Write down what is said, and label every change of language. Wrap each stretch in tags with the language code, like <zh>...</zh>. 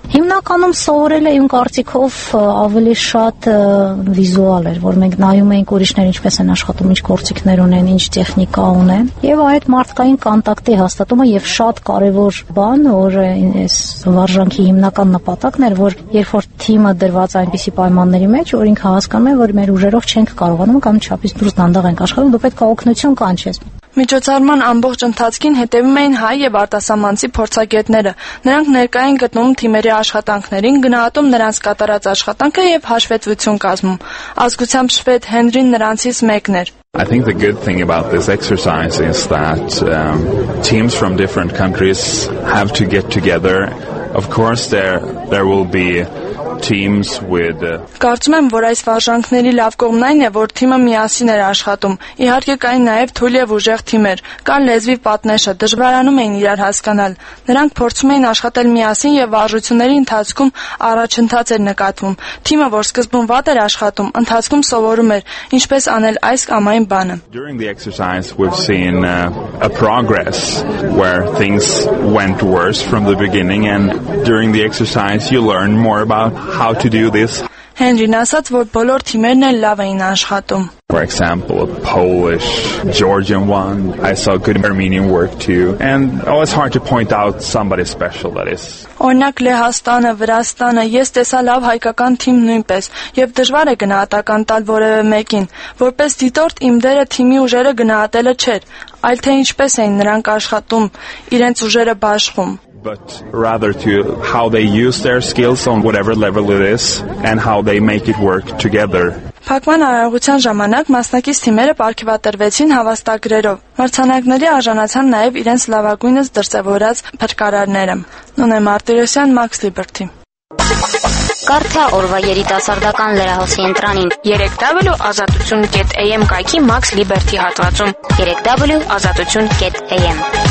<hy>Հիմնականում սովորել է իմ կարծիքով ավելի շատ վիզուալ էր, որ մենք նայում ենք ուրիշներ ինչպես են աշխատում, ինչ գործիքներ ունեն, ինչ տեխնիկա ունեն, եւ այդ մարդկային կոնտակտի հաստատումը, եւ շատ կարեւոր բան, որ այս վարժանքի հիմնական նպատակն էր, որ երբ որ թիմը դրված այնպիսի պայմանների մեջ, որ ինքը հասկանում է, որ մեր ուժերով չենք կարողանում կամ չափից դուրս դանդաղ ենք աշխատում, դու պետք է օգնություն կանչես։ Միջոցառման ամբողջ ընթացքին հետևում էին հայ և արտասահմանցի փորձագետները։ Նրանք ներկա էին գտնում թիմերի աշխատանքներին, գնահատում նրանց կատարած աշխատանքը և հաշվետվություն կազմում։ Ազգությամբ շվեդ Հենրին նրանցից մեկն էր։</hy> <en>I think the good thing about this exercise is that teams from different countries have to get together. Of course there will be teams with</en> <hy>Կարծում եմ, որ այս վարժանքների լավ կողմն այն է, որ թիմը միասին էր աշխատում։ Իհարկե կային նաև թույլ և ուժեղ թիմեր, կան լեզվի պատնեշը, դժվարանում էին իրար հասկանալ։ Նրանք փորձում էին աշխատել միասին և վարժությունների ընթացքում առաջընթաց էր նկատվում։ Թիմը, որ սկզբում վատ էր աշխատում, ընթացքում սովորում էր ինչպես անել այս կամ այն բանը։</hy> <en>During the exercise we've seen a progress where things went worse from the beginning and during the exercise you learn more about how to do this.</en> <hy>Հենրին ասաց, որ բոլոր թիմերն էլ լավ էին աշխատում.</hy> <en>For example, a Polish, Georgian one. I saw good Armenian work too. And it's hard to point out somebody special that is.</en> <hy>Օրինակ Լեհաստանը, Վրաստանը, ես տեսա լավ հայկական թիմ նույնպես, եւ դժվար է գնահատական տալ որևէ մեկին, որպես դիտորդ իմ դերը թիմի ուժերը գնահատելը չէր, այլ թե ինչպես էին նրանք աշխատում, իրենց ուժերը բաշխում.</hy> <en>But rather to how they use their skills on whatever level it is and how they make it work together.</en> <hy>Փակման արարողության ժամանակ մասնակից թիմերը պարգևատրվեցին հավաստագրերով։ Մրցանակների արժանացան նաև իրենց լավագույնս դրսևորած փրկարարները։ Նոնե Մարտիրոսյան, Մաքս Լիբերտի։ Կարթա օրվա երիտասարդական լրահոսի ընտրանին 3w.azatutyun.am կայքի Մաքս Լիբերտի հատվածում 3w.azatutyun.am</hy>